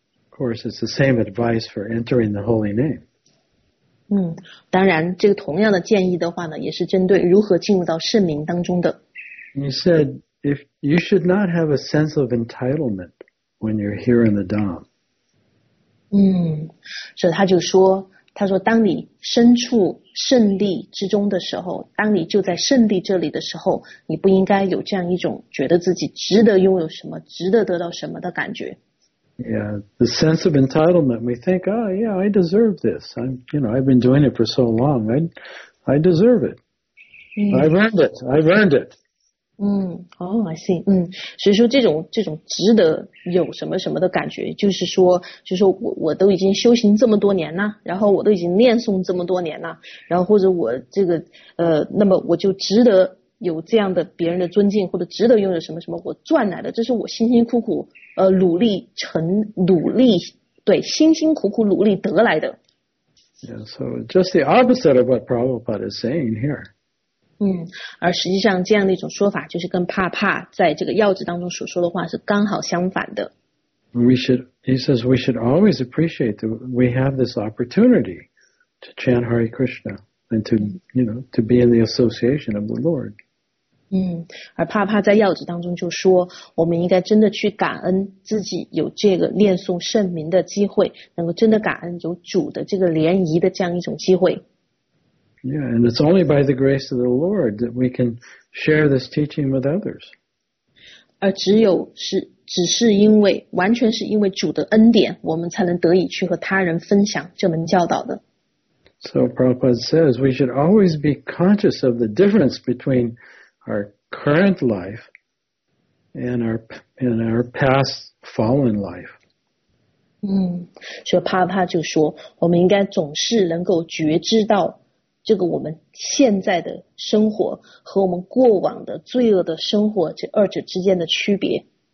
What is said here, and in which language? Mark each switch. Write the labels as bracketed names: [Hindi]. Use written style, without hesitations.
[English] Of course, it's the same advice for entering the Holy Name. [Chinese] 当然这个同样的建议的话呢，也是针对如何进入到圣名当中的。 [English] He said, if you should not have a sense of entitlement when you're here in the Dhamma. [Chinese] 所以他说当你身处圣地之中的时候，当你就在圣地这里的时候，你不应该有这样一种觉得自己值得拥有什么，值得得到什么的感觉。 [English] Yeah, the sense of entitlement. We think, oh yeah, I deserve this. I've been doing it for so long. I deserve it. I've earned it. I see. [Chinese] 所以说这种值得有什么什么的感觉，就是说我都已经修行这么多年了，然后我都已经念诵这么多年了，然后或者我这个那么我就值得有这样的别人的尊敬，或者值得拥有什么什么，我赚来的，这是我辛辛苦苦努力得来的。 [English] Yeah, so just the opposite of what Prabhupada is saying here. [Chinese] 而实际上这样的一种说法就是跟帕帕在这个要旨当中所说的话是刚好相反的。 [English] He says we should always appreciate that we have this opportunity to chant Hare Krishna and to, you know, to be in the association of the Lord. [Chinese] 而帕帕在要旨当中就说，我们应该真的去感恩自己有这个念诵圣名的机会，能够真的感恩有主的这个联谊的这样一种机会。 [English] Yeah, and it's only by the grace of the Lord that we can share this teaching with others. [Chinese] 而只是因为完全是因为主的恩典，我们才能得以去和他人分享这门教导的。 [English] So Prabhupada says we should always be conscious of the difference between our current life and our past fallen life. [Chinese] 所以帕帕就说，我们应该总是能够觉知到这个我们现在的生活和我们过往的罪恶的生活这二者之间的区别。